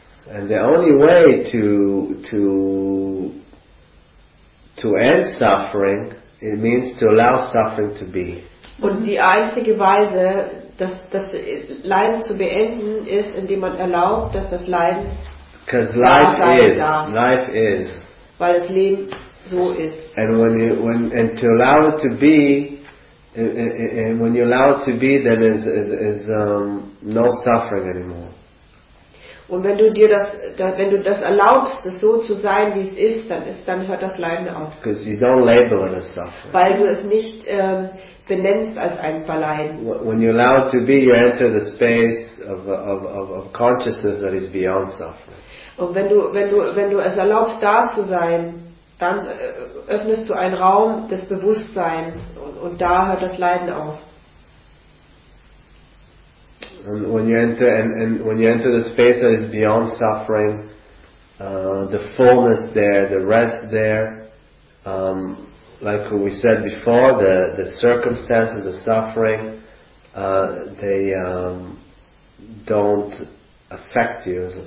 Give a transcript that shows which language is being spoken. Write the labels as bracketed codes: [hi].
[en] And the only way to end suffering, it means to allow suffering to be. [de] Und die einzige Weise, das Leiden zu beenden, ist, indem man erlaubt, dass das Leiden [en] because life is. [de] Weil das Leben so ist. [en] And when to allow it to be, and when you allow it to be, then is no suffering anymore. [de] Und wenn du dir das, wenn du das erlaubst, es so zu sein, wie es ist, dann ist, dann hört das Leiden auf. [en] Because you don't label it as suffering. [de] Weil du es nicht benennst als ein Verleiden. [en] When you allow it to be, you enter the space of consciousness that is beyond suffering. [de] Und wenn du es erlaubst, da zu sein, dann öffnest du einen Raum des Bewusstseins und da hört das Leiden auf. [en] And when you enter, when you enter the space that is beyond suffering, the fullness there, the rest there, like we said before, the circumstances, the suffering, they don't affect you.